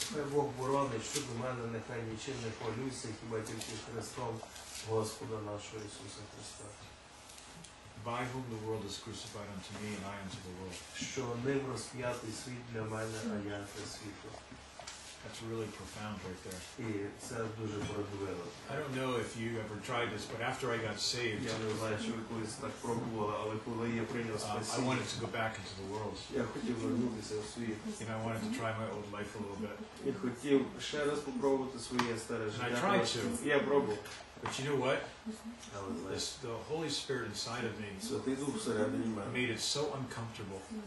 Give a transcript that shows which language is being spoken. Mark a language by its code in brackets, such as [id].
[uk] Бог боронить, щоб у мене нехай нічим не хвалюся, хіба тільки Христом Господа нашого Ісуса Христа. [en] By whom the world is crucified unto me, and I unto the world. [uk] Що ним розп'ятий світ для мене, а я для світу. [en] That's really profound right there. [uk] І це дуже правдиво. [en] I don't know if you ever tried this, but after I got saved, [uk] я не знаю, чи ви колись так пробували, але коли я прийняв спасіння, [en] I wanted to go back into the world. [uk] Я хотів вернутися в світ. [en] And I wanted to try my old life a little bit. [uk] Я хотів ще раз спробувати своє старе життя. [en] And I tried to. [uk] Я пробував. [en] But you know what? I was like, the Holy Spirit inside of me made it so uncomfortable.